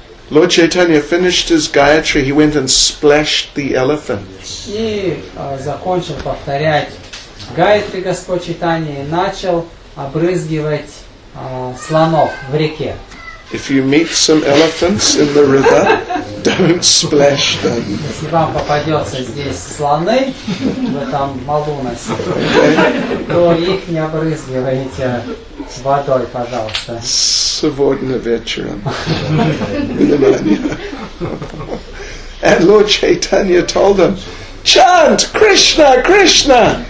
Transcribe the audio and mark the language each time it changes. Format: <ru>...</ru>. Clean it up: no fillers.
<en>Lord Chaitanya finished his Gayatri, he went and splashed the elephants.</en> <ru>И закончил повторять Гаятри Господь Чайтанья и начал обрызгивать слонов в реке.</ru> <en>If you meet some elephants in the river, don't splash them.</en> <ru>Если вам попадется здесь слоны в этом малунасе, okay. То их не обрызгивайте водой, пожалуйста. Сегодня вечером. Внимание.</ru> <en>And Lord Chaitanya told them, chant Krishna, Krishna.</en>